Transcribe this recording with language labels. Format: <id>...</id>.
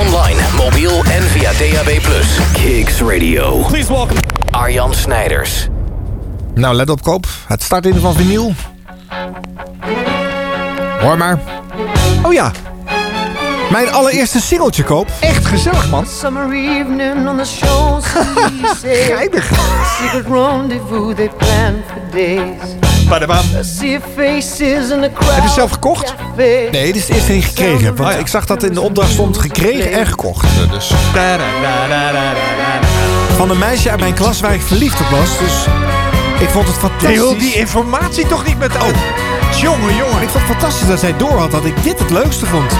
<nl>Online, mobiel en via DAB+. Kicks Radio.</nl> <en>Please welcome.</en> <nl>Arjan Snijders. Nou, let op Koop. Het start in van vinyl. Hoor maar. Oh ja. Mijn allereerste singeltje, Koop. Echt gezellig, man.</nl> <en>Summer evening on the shows.</en> <nl>Geinig.</nl> <en>Secret rendezvous they plan for days. Badabam. See faces in the crowd.</en> <nl>Heb je zelf gekocht? Nee, dit is het eerste ding gekregen. Want ik zag dat in de opdracht stond gekregen en gekocht. Dus. Van een meisje uit mijn klas waar ik verliefd op was. Dus ik vond het fantastisch. Deel die informatie toch niet met... Oh. Jongen. Ik vond het fantastisch dat zij door had dat ik dit het leukste vond.</nl>